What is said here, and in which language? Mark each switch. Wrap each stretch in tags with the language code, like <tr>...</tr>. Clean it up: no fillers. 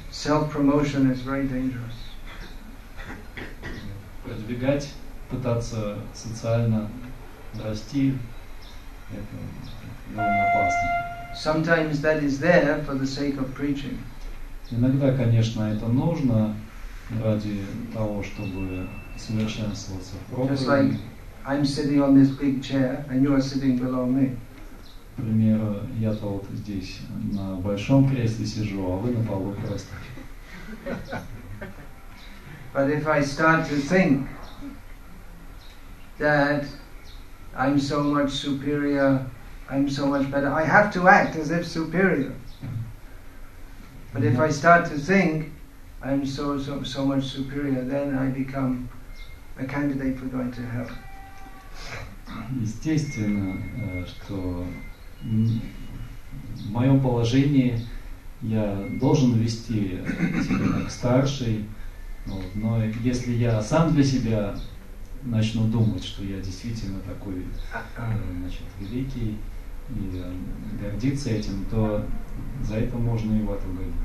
<en>Self-promotion is very dangerous.</en> <ru>Продвигать, пытаться социально расти, это довольно опасно.</ru> <en>Sometimes that is there for the sake of preaching.</en> <ru>Иногда, конечно, это нужно ради того, чтобы совершенствоваться в проповеди.</ru> <en>Just like I'm sitting on this big chair and you are sitting below me.</en> <ru>К примеру, я-то вот здесь на большом кресле сижу, а вы на полу кресла.</ru> <en>But if I start to think that I'm so much superior, I'm so much better, I have to act as if superior. But if I start to think I'm so much superior, then I become a candidate for going to hell.</en> <ru>Естественно, что в моем положении я должен вести себя как старший, вот, но если я сам для себя начну думать, что я действительно такой значит, великий и гордиться этим, то за это можно и в этом</ru>